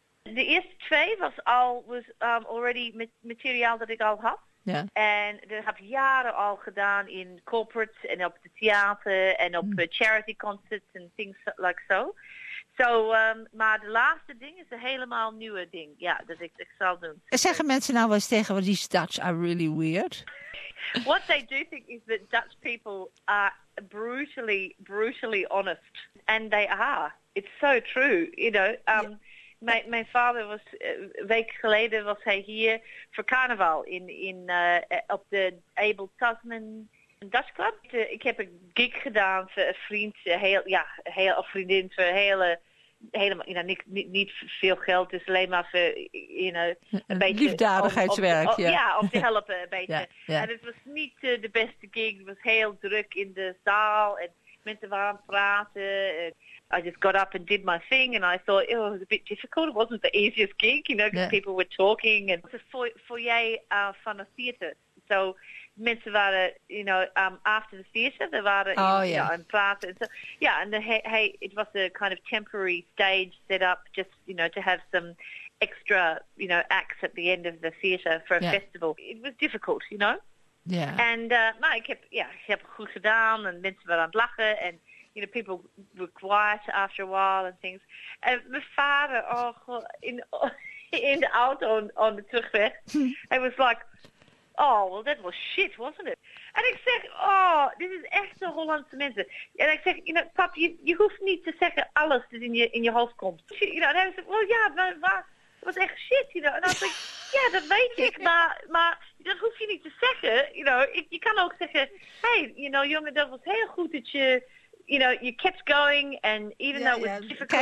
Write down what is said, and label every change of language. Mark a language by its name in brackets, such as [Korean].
[Dutch] De eerste twee was already materiaal dat ik al had. Ja. En dat heb ik jaren al gedaan in corporate en op de theater en op charity concerts en [English] things like so. [Dutch] Maar de laatste ding is een helemaal nieuwe ding. Ja, dat ik zal doen. En zeggen mensen nou wel eens tegen, [English] well, these Dutch are really weird? What they do think is that Dutch people are brutally, brutally honest. And they are. It's so true, you know. [Dutch] Mijn vader was een week geleden was hij hier voor carnaval in op de Abel Tasman Dutch Club. Ik heb een gig gedaan voor een vriend, vriendin voor helemaal, niet veel geld, dus alleen maar voor een beetje liefdadigheidswerk. Om te helpen een beetje. En het was niet de beste gig. Het was heel druk in de zaal en mensen waren aan het praten. [English] I just got up and did my thing, and I thought it was a bit difficult. It wasn't the easiest gig, because people were talking. And it's a foyer from a theatre. So [Dutch] mensen waren, [English] after the theatre, they were in Prater. So, and it was a kind of temporary stage set up just, to have some extra, acts at the end of the theatre for a festival. It was difficult, And I kept goed gedaan, and [Dutch] mensen waren aan het lachen, [English] and people were quiet after a while and things. And my father, in the auto on the terugweg, I was like, oh, well, that was shit, wasn't it? And I said, this is echt a Hollandse mensen. And I said, [Dutch] pap, you hoeft niet te zeggen alles dat in je hoofd komt. [English] And I was like, it was echt shit, And I was like, yeah, [Dutch] dat weet ik, maar dat hoef je niet te zeggen. Je kan ook zeggen, hey, jongen, dat was heel goed dat je, [English] you kept going, and even though it was difficult.